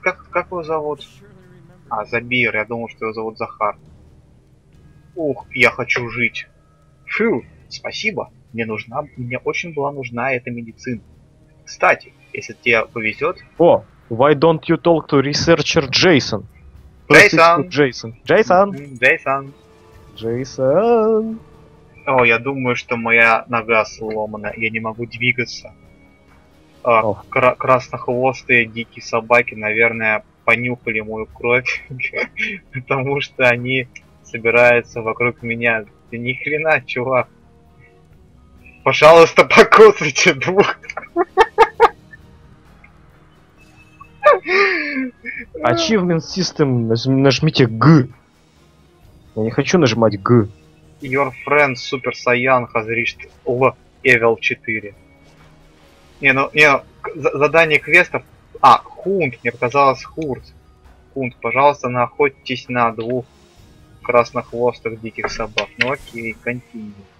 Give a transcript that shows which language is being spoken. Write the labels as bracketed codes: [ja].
[ru] Как его зовут? А, Забир, я думал, что его зовут Захар. Ух, я хочу жить. Фью, спасибо. Мне очень была нужна эта медицина. Кстати, если тебе повезет... [en] О, why don't you talk to researcher Jason? [ru] Джейсон! О, я думаю, что моя нога сломана, я не могу двигаться. Краснохвостые дикие собаки, наверное, понюхали мою кровь, потому что они собираются вокруг меня. Да ни хрена, чувак. Пожалуйста, покусайте двух. Achievement System, нажмите G. Я не хочу нажимать G. [en] Your friend Super Saiyan has reached level 4. [ru] Не, задание квестов... А, Хунт, мне показалось Хурт. Хунт, пожалуйста, наохотитесь на двух краснохвостых диких собак. Ну окей, continue.